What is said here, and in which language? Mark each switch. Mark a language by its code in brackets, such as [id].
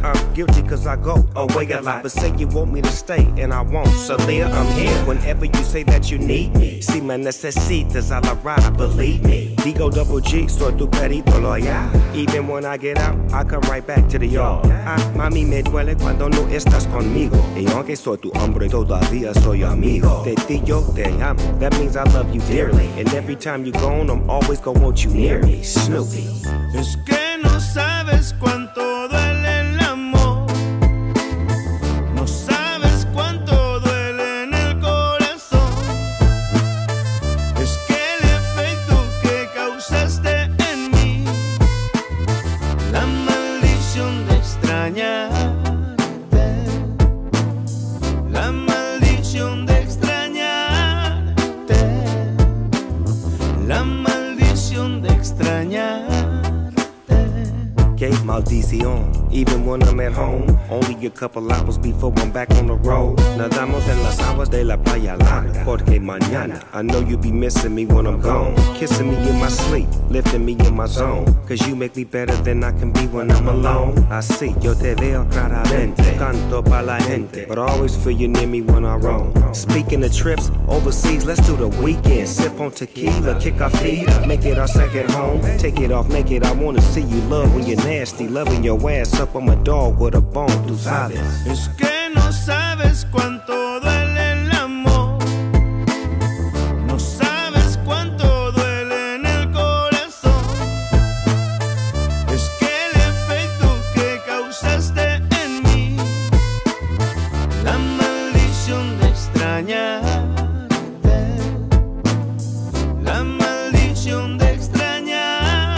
[en] I'm guilty cause I go away a lot. But say you want me to stay, and I won't. So Leah, I'm here whenever you say that you need me. [es] Si me necesitas a la [en] ride, believe me. [es] Digo double G, soy tu perito loyal. [en] Even when I get out, I come right back to the yard. [es] Mami, me duele cuando no estás conmigo. Y aunque soy tu hombre, todavía soy amigo. De ti yo te amo, [en] that means I love you dearly. And every time you gone, I'm always gonna want you near me. Snoopy. [es] Es que no sabes cuánto duele el amor. No sabes cuánto duele en el corazón. Es que el efecto que causaste en mí, la maldición de extrañarte, la maldición de extrañarte, la maldición de extrañarte. [en] Maldición, even when I'm at home, only a couple hours before I'm back on the road. [es] Nadamos en las aguas de la playa larga, porque mañana [en] I know you'll be missing me when I'm gone. Kissing me in my sleep, lifting me in my zone, cause you make me better than I can be when I'm alone. [es] Así yo te veo claramente, canto pa' la gente, [en] but I always feel you near me when I roam. Speaking of trips overseas, let's do the weekend. Sip on tequila, kick our feet, make it our second home. Take it off, make it, I wanna see you love when you're nasty, loving your ass up on my dog with a bone. [es] Tú sabes. Es que no sabes cuánto duele el amor. No sabes cuánto duele en el corazón. Es que el efecto que causaste en mí, la maldición de extrañarte, la maldición de extrañarte.